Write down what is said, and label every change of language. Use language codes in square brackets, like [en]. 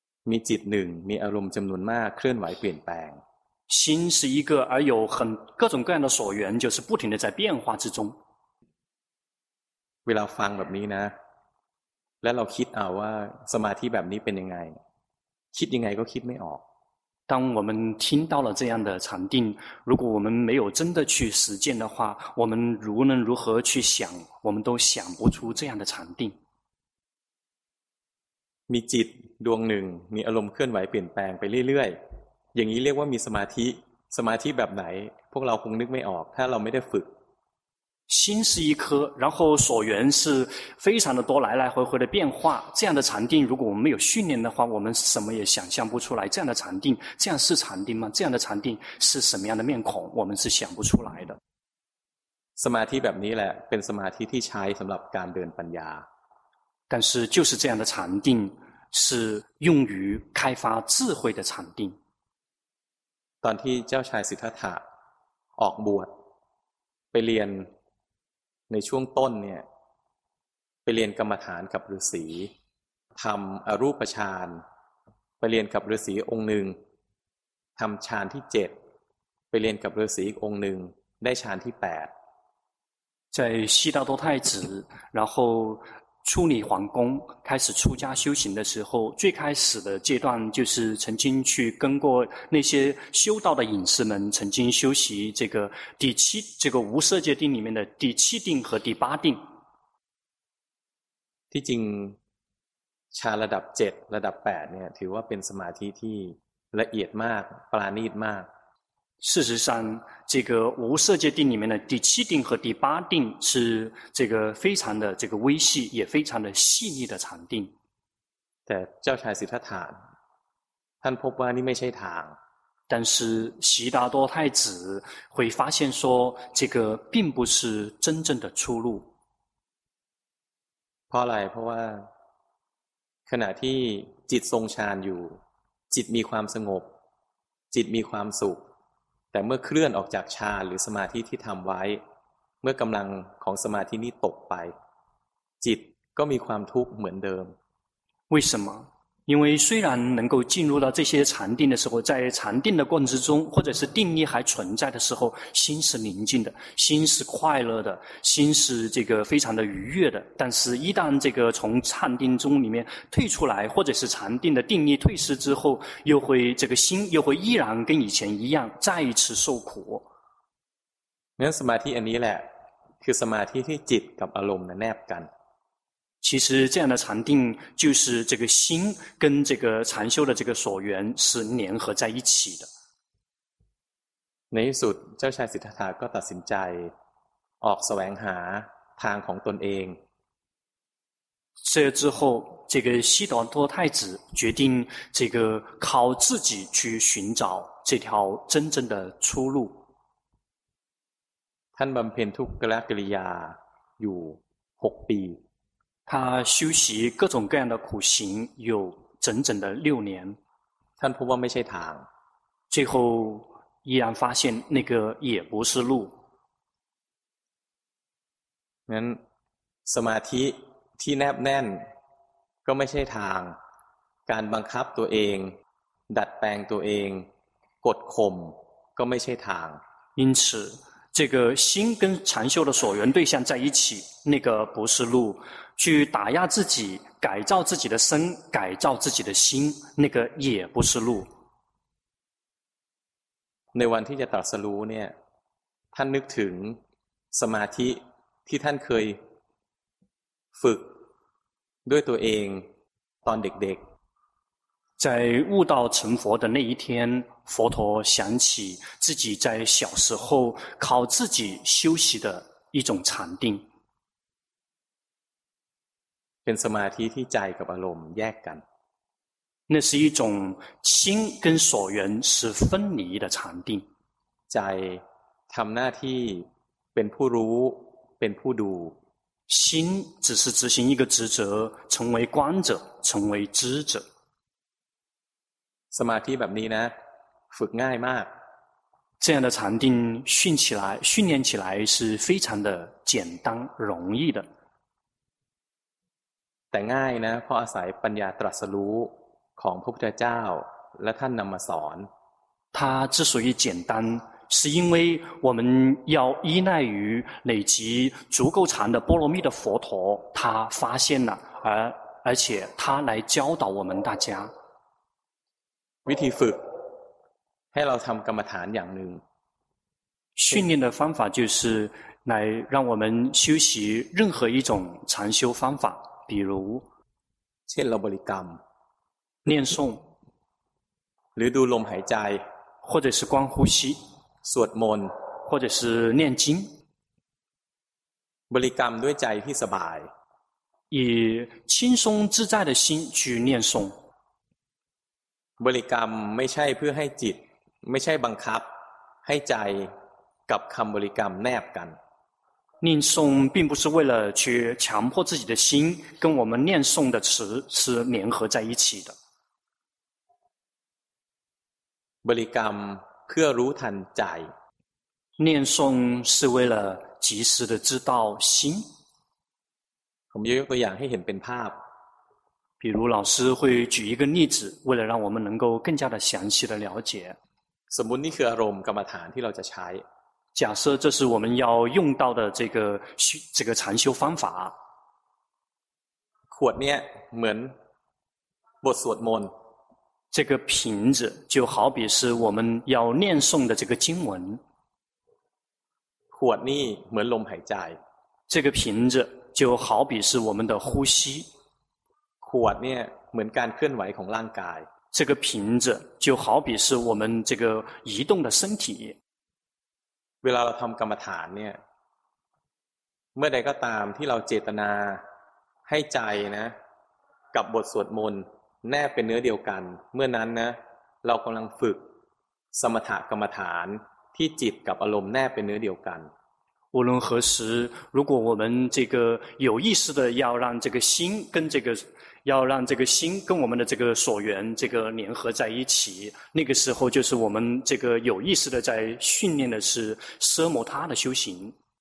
[th] มีจิตหนึ่งมีอารมณ์จำนวนมากเคลื่อนไหวเปลี่ยนแปลง [zh] 心是一个而有很各种各样的所缘就是不停的在变化之中 [th] เวลาฟังแบบนี้นะแล้วเราคิดเอาว่าสมาธิแบบนี้เป็นยังไงคิดยังไงก็คิดไม่ออก [zh] 当我们听到了这样的禅定，如果我们没有真的去实践的话，我们无论如何去想，我们都想不出这样的禅定。 [th] มีจิตดวงหนึ่งมีอารมณ์เคลื่อนไหวเปลี่ยนแปลงไปเรื่อยๆอย่างนี้เรียกว่ามีสมาธิสมาธิแบบไหนพวกเราคงนึกไม่ออกถ้าเราไม่ได้ฝึก [zh] 心是一颗，然后所缘是非常的多，来来回回的变化。这样的禅定，如果我们没有训练的话，我们什么也想象不出来。这样的禅定，这样是禅定吗？这样的禅定是什么样的面孔？我们是想不出来的。 [th] สมาธิแบบนี้แหละเป็นสมาธิที่ใช้สำหรับการเดินปัญญา。 [zh] 但是就是这样的禅定是用于开发智慧的禅定。 [th] ตอนที่เจ้าชายสิทธัตถะออกบวชไปเรียนในช่วงต้นเนี่ยไปเรียนกรรมฐานกับฤาษีทำอรูปฌานไปเรียนกับฤาษีองค์หนึ่งทำฌานที่7ไปเรียนกับฤาษีอีกองค์หนึ่งได้ฌานที่8 [zh] 在悉达多太子然后处理皇宫开始出家修行的时候最开始的阶段就是曾经去跟过那些修道的隐士们曾经修习这个第七这个无色界定里面的第七定和第八定 [th] ที่จริงฌานระดับ7ระดับ8เนี่ยถือว่าเป็นสมาธิที่ละเอียดมากปราณีตมาก [zh] 事实上这个无色界定里面的第七定和第八定是这个非常的这个微细也非常的细腻的禅定 [th] แต่เจ้าชายสิทธัตถะท่านพบว่านี่ไม่ใช่ทาง [zh] 但是悉达多太子会发现说这个并不是真正的出路 [th] เพราะอะไรเพราะว่าขณะที่จิตทรงฌานอยู่จิตมีความสงบจิตมีความสุขแต่เมื่อเคลื่อนออกจากฌานหรือสมาธิที่ทำไว้เมื่อกำลังของสมาธินี้ตกไปจิตก็มีความทุกข์เหมือนเดิม [zh] 为什么因为虽然能够进入到这些禅定的时候在禅定的过程之中或者是定力还存在的时候心是宁静的心是快乐的心是这个非常的愉悦的但是一旦这个从禅定中里面退出来或者是禅定的定力退失之后又会这个心又会依然跟以前一样再一次受苦 [th] 那สมาธิอันนี้แหละคือสมาธิที่จิตกับอารมณ์แนบกัน [zh] 其实这样的禅定就是这个心跟这个禅修的这个所缘是联合在一起的。 [th] ในที่สุดเจ้าชายสิทธัตถะก็ตัดสินใจออกแสวงหาทางของตนเอง。 [zh] 这之后，这个悉达多太子决定这个靠自己去寻找这条真正的出路。 [th] ท่านบำเพ็ญทุกกิริยาอยู่หกปี。 [zh] 他修习各种各样的苦行有整整的六年 [th] ท่านพบว่าไม่ใช่ทาง [zh] 最后依然发现那个也不是路 [th] งั้นสมาธิที่แนบแน่นก็ไม่ใช่ทางการบังคับตัวเองดัดแปลงตัวเองกดข่มก็ไม่ใช่ทาง [zh] 因此这个心跟禅修的所缘对象在一起那个不是路去打压自己改造自己的身改造自己的心那个也不是路 [th] ในวันที่จะตรัสรู้เนี่ยท่านนึกถึงสมาธิที่ท่านเคยฝึกด้วยตัวเองตอนเด็ก [zh] ๆ在悟道成佛的那一天佛陀想起自己在小时候靠自己修习的一种禅定 [th] เป็นสมาธิที่ใจกับอารมณ์แยกกัน [zh] 那是一种心跟所缘是分离的禅定 [th] ใจทำหน้าที่เป็นผู้รู้เป็นผู้ดู [zh] 心只是执行一个职责成为观者成为知者 [th] สมาธิแบบนี้นะฝึกง่ายมาก [zh] 这样的禅定训练起来是非常的简单容易的 [th] แต่ง่ายนะเพราะอาศัยปัญญาตรัสรู้ของพระพุทธเจ้าและท่านนำมาสอน [zh] 它之所以简单是因为我们要依赖于累积足够长的波罗蜜的佛陀他发现了而且他来教导我们大家 [th] วิธีฝึกให้เราทำกรรมฐานอย่างหนึ่ง [zh] 训练的方法就是来让我们修习任何一种禅修方法比如 [th] เช่นเราบริกรรม [zh] 念诵 [th] หรือดูลมหายใจ [zh] 或者是观呼吸 [th] สวดมนต์ [zh] 或者是念经 [th] บริกรรมด้วยใจที่สบาย [zh] 以轻松自在的心去念诵 [th] บริกรรมไม่ใช่เพื่อให้จิตไม่ใช่บังคับให้ใจกับคำบริกรรมแนบกัน [zh] 念诵并不是为了去强迫自己的心跟我们念诵的词是联合在一起的 [th] บริกรรมเพื่อรู้ทันใจ [zh] 念诵是为了及时的知道心 [th] ผมยกตัวอย่างให้เห็นเป็นภาพ [zh] 比如老师会举一个例子为了让我们能够更加的详细的了解 [th] สมมุตินี่คืออารมณ์กรรมฐานที่เราจะใช้ [zh] 假设这是我们要用到的这个禅修方法 [th] ขวดเนี่ยเหมือนบทสวดมนต์ [zh] 这个瓶子就好比是我们要念诵的这个经文 [th] ขวดนี่เหมือนลมหายใจ [zh] 这个瓶子就好比是我们的呼吸 [th] ขวดเนี่ยเหมือนการเคลื่อนไหวของร่างกาย [zh] 这个瓶子就好比是我们这个移动的身体 [th] เวลาเราทำกรรมฐานเนี่ยเมื่อใดก็ตามที่เราเจตนาให้ใจนะกับบทสวดมนต์แน่เป็นเนื้อเดียวกันเมื่อนั้นนะเรากำลังฝึกสมถกรรมฐานที่จิตกับอารมณ์แน่เป็นเนื้อเดียวกัน [zh] 无论何时如果我们这个有意识的要让这个心跟这个要让这个心跟我们的这个所缘这个联合在一起那个时候就是我们这个有意识的在训练的是奢摩他的修行